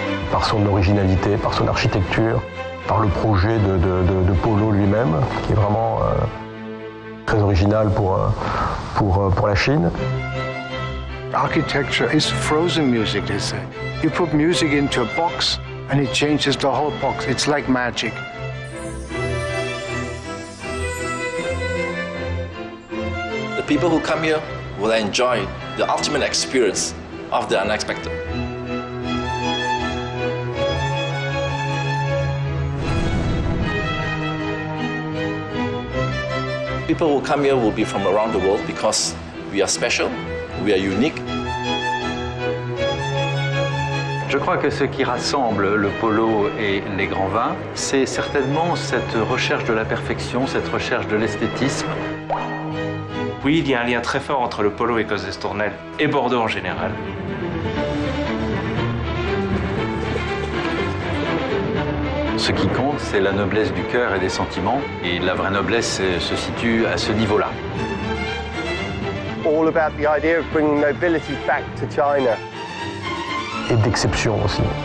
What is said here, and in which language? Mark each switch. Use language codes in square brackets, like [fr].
[fr] Par son originalité, par son architecture, par le projet de Polo lui-même, qui est vraiment très original pour la Chine. [en] Architecture is frozen music, they say. You put music into a box and it changes the whole box. It's like magic. The people who come here will enjoy the ultimate experience of the unexpected. People who come here will be from around the world because we are special, we are unique. [fr] Je crois que ce qui rassemble le polo et les grands vins, c'est certainement cette recherche de la perfection, cette recherche de l'esthétisme. Oui, il y a un lien très fort entre le polo et Causse d'Estournel, et Bordeaux en général. Ce qui compte, c'est la noblesse du cœur et des sentiments, et la vraie noblesse se situe à ce niveau-là. [en] All about the idea of bringing nobility back to China. [fr] Et d'exception aussi.